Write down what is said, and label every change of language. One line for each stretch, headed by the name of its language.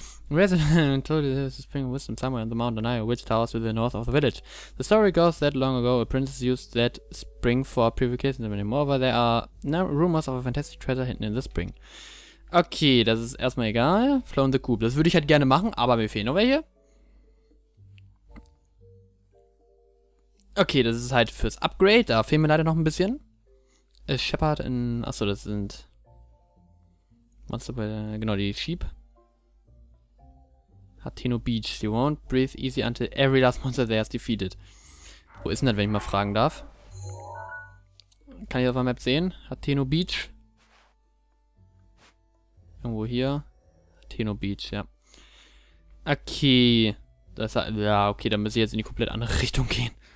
English: Resident Evil told you Spring of Wisdom somewhere on the Mount Anaya, which towers to the north of the village. The story goes that long ago, a princess used that spring for purification. Moreover, there are no rumors of a fantastic treasure hidden in the spring.
German: Okay, das ist erstmal egal. Flow in the Coop. Das würde ich halt gerne machen, aber mir fehlen noch welche. Okay, das ist halt fürs Upgrade. Da fehlen mir leider noch ein bisschen. A Shepherd in... Achso, das sind... Monster, genau, die Sheep. Hateno Beach.
English: They won't breathe easy until every last monster there is defeated.
German: Wo ist denn das, wenn ich mal fragen darf? Kann ich auf der Map sehen? Hateno Beach. Irgendwo hier. Hateno Beach, ja. Okay. Das, ja, okay, dann müsste ich jetzt in die komplett andere Richtung gehen.